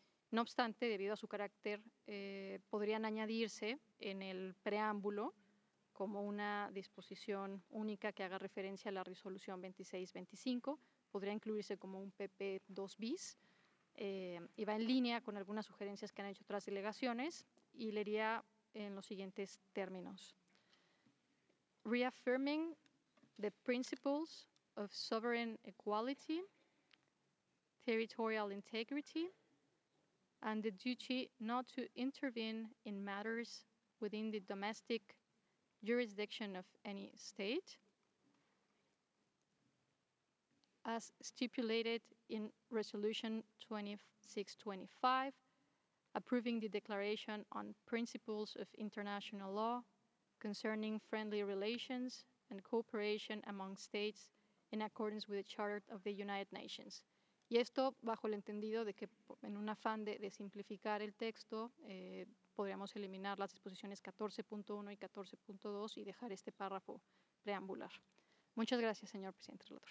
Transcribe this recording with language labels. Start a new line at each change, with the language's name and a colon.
Spanish: No obstante, debido a su carácter, podrían añadirse en el preámbulo como una disposición única que haga referencia a la resolución 2625. Podría incluirse como un PP2 bis y va en línea con algunas sugerencias que han hecho otras delegaciones y leería en los siguientes términos.
English: Reaffirming the principles of sovereign equality, territorial integrity, and the duty not to intervene in matters within the domestic jurisdiction of any state, as stipulated in Resolution 2625, approving the Declaration on Principles of International Law concerning friendly relations and cooperation among states in accordance with the Charter of the United Nations.
Spanish: Y esto bajo el entendido de que en un afán de simplificar el texto, podríamos eliminar las disposiciones 14.1 y 14.2 y dejar este párrafo preambular. Muchas gracias, señor presidente.